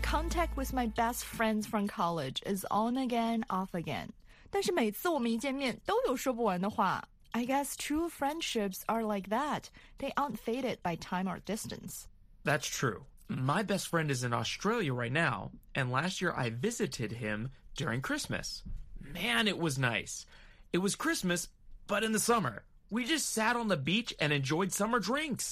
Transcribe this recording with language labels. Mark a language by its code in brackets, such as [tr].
[en] contact with my best friends from college is on again, off again. [zh] 但是每次我们一见面都有说不完的话。 [en] I guess true friendships are like that. They aren't faded by time or distance. That's true. My best friend is in Australia right now, and last year I visited him during Christmas. Man, it was nice. It was Christmas, but in the summer. We just sat on the beach and enjoyed summer drinks.